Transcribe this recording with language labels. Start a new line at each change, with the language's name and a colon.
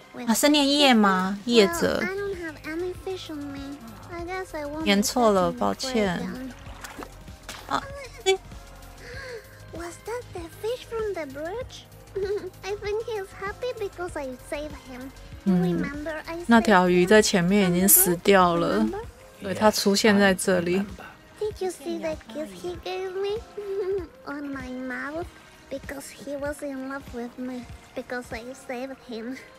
English: With
Chinese: 是念夜吗？夜者。
English: Well, I don't have any fish on me. I guess I won't.
Chinese: 念错了，抱歉。啊，
English: Was that the fish from the bridge? I think he's happy because I saved him.
Chinese: 那条鱼在前面已经死掉了，对，它出现在这里。
English: Did you see the kiss he gave me on my mouth? Because he was in love with me, because I saved him.